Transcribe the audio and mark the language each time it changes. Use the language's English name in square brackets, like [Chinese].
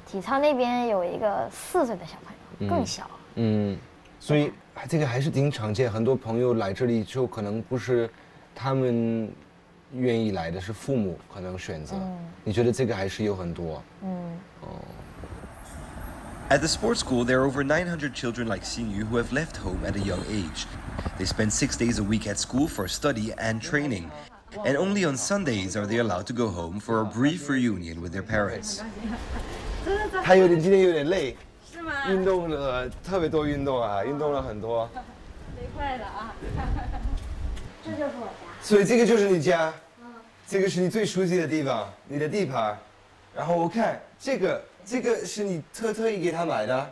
[Chinese] 体操那边有一个4岁的小朋友，更小。所以这个还是挺常见，很多朋友来这里就可能不是他们愿意来的，是父母可能选择。你觉得这个还是有很多？ [English] At the sports school, there are over 900 children like Xinyu who have left home at a young age. They spend 6 days a week at school for study and training. And only on Sundays are they allowed to go home for a brief reunion with their parents. [Chinese] 他有点今天有点累。是吗？运动了，特别多运动啊，运动了很多。累坏了啊。这就是我家。所以这个就是你家。这个是你最熟悉的地方，你的地盘。然后我看这个。这个是你特意给他买的？